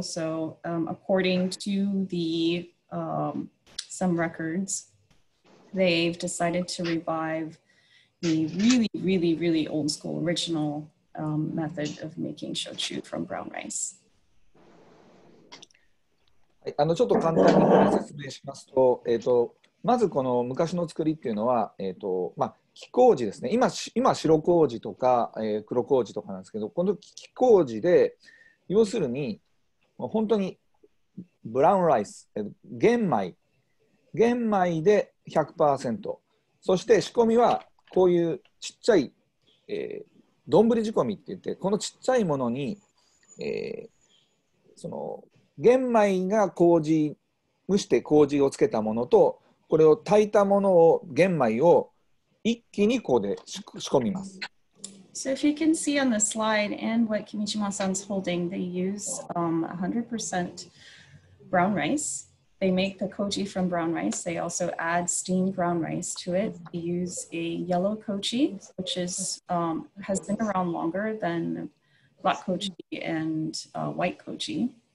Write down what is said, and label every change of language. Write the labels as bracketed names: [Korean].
[English] So according to the some records, they've decided to revive the really, really, really old school original method of making shochu from brown rice. [Japanese] ちょっと簡単に説明しますと、まずこの昔の作りっていうのは、木麹ですね。今白麹とか、黒麹とかなんですけど、この木麹で、要するに、本当にブラウンライス、玄米で 100%、そして仕込みはこういうちっちゃい、どんぶり仕込みって言って、このちっちゃいものに、その玄米が麹、蒸して麹をつけたものと、これを炊いたものを、玄米を一気にここで仕込みます。 [English] So if you can see on the slide and what Kimishima-san's holding, they use 100% brown rice. They make the koji from brown rice. They also add steamed brown rice to it. They use a yellow koji, which is, has been around longer than black koji and white koji.